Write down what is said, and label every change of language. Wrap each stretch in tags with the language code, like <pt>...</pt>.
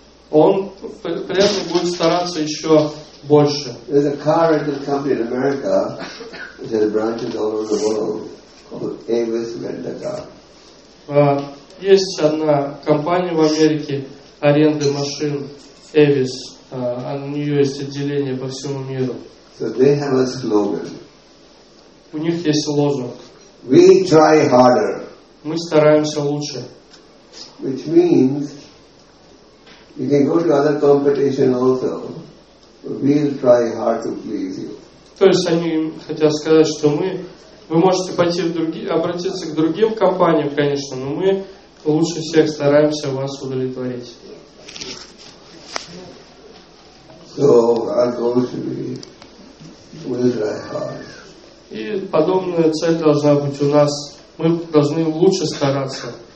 <ru>Он при этом будет стараться еще больше.</ru> <en>There's a car rental company in America that has branches all over the world called Avis Rent-A-Car.</en> <ru>Есть одна компания в Америке аренды машин Avis. У нее есть отделение по всему миру.</ru> <en>So they have a slogan.</en> <ru>У них есть лозунг.</ru> <en>We try harder.</en> <ru>Мы стараемся лучше.</ru> <en>Which means you can go to other competition also. We'll try hard to please you.</en> <ru>То есть они хотят сказать, что вы можете пойти в другие, обратиться к другим компаниям, конечно, но мы лучше всех стараемся вас удовлетворить.</ru> <en>So our goal should be, we'll try hard.</en> <ru>И подобная цель должна быть у нас. Мы должны лучше стараться.</ru>